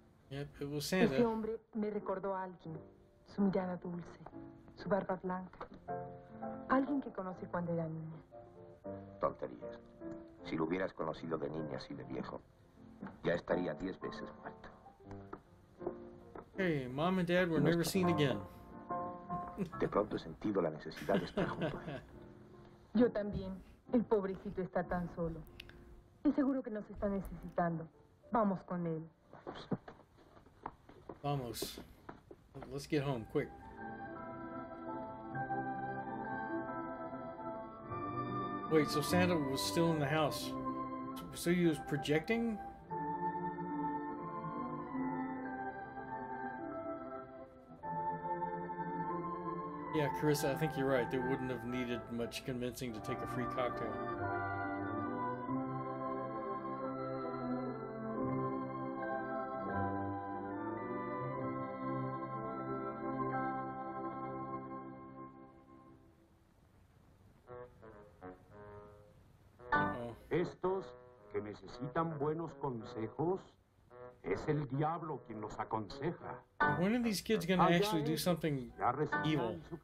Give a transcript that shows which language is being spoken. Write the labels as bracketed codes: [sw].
[en] Yep, it was Santa. [es] Ese hombre me recordó a alguien. Su mirada dulce, su barba blanca. Alguien que conocí cuando era niña. Tonterías. Si lo hubieras conocido de niña, así de viejo, ya estaría 10 veces muerto. [en] Hey, mom and dad were never seen again. [es] De pronto he sentido la necesidad de estar junto a él. Yo también. El pobrecito está tan solo. Y seguro que nos está necesitando. Vamos con él. Vamos. [en] Let's get home, quick. Wait, so Santa was still in the house. So he was projecting? Yeah, Carissa, I think you're right. They wouldn't have needed much convincing to take a free cocktail. [es] Estos que necesitan buenos consejos, es el diablo quien los aconseja. [en] When are these kids going to actually do something evil?